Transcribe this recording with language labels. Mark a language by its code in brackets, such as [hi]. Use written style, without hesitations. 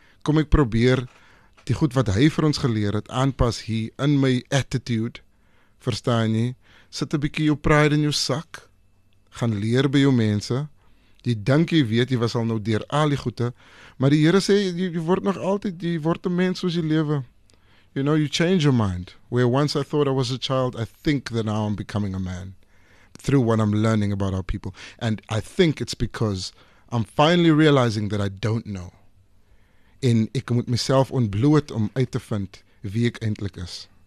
[af] Kom ek probeer die goed wat hy vir ons geleer het, aanpas hier in my attitude, verstaan jy, sit 'n bietjie jou pride in jou sak, gaan leer by jou mense, die dink jy weet, jy was al nou dier al die goede, maar die Here sê, jy word nog altyd, jy word 'n mens soos jy lewe. [en] You know, you change your mind. Where once I thought I was a child, I think that now I'm becoming a man. Through what I'm learning about our people. And I think it's because I'm finally realizing that I don't know. [af] En ek moet myself ontbloot om uit te vind wie ek eintlik is.